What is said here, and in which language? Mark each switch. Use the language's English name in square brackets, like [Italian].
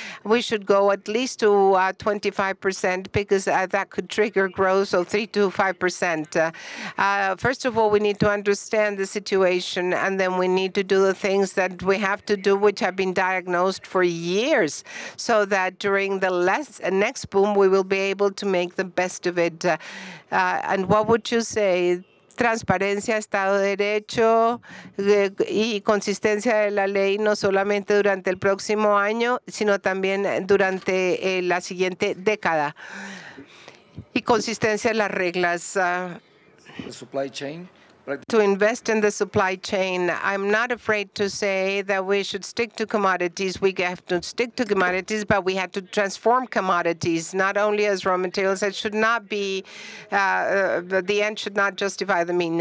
[English] We should go at least to 25% because that could trigger growth, so 3 to 5%. First of all, we need to understand the situation, and then we need to do the things that we have to do, which have been diagnosed for years, so that during the next boom, we will be able to make the best of it. And what would you say? [Spanish] Transparencia, Estado de Derecho y consistencia de la ley, no solamente durante el próximo año, sino también durante la siguiente década. Y consistencia de las reglas. [English] The supply chain. To invest in the supply chain, I'm not afraid to say that we should stick to commodities. We have to stick to commodities, but we have to transform commodities, not only as raw materials. It should not be, the end should not justify the mean.